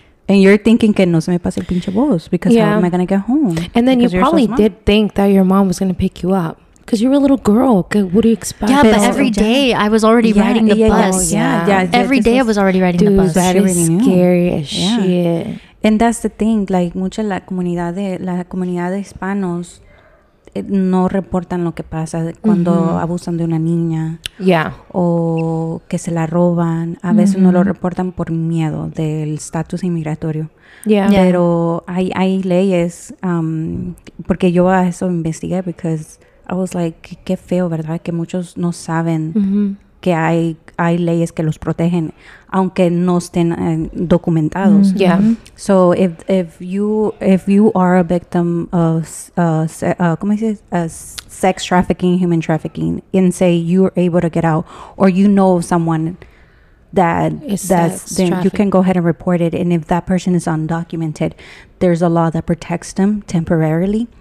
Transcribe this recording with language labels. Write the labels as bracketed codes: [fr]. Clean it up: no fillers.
[en] and you're thinking, [es] que no se me pase el pinche bus. [en] Because how am I going to get home? And then you probably did think that your mom was going to pick you up. Because you were a little girl. Okay, what do you expect? Yeah, but every day I was already riding the bus. Yeah. Every day I was already riding the bus. Dude, that is scary as shit. And that's the thing. Like, [es] mucha la comunidad de hispanos no reportan lo que pasa cuando abusan de una niña. [en] Yeah. [es] O que se la roban. A veces no lo reportan por miedo del estatus inmigratorio. [en] Yeah. [es] Pero hay leyes, porque yo a eso investigué, [en] because I was like, [es] qué feo, ¿verdad? Que muchos no saben que hay leyes que los protegen, aunque no estén documentados. [en] Mm-hmm. Yeah. So if you are a victim of sex trafficking, human trafficking, and say you're able to get out, or you know someone that you can go ahead and report it. And if that person is undocumented, there's a law that protects them temporarily.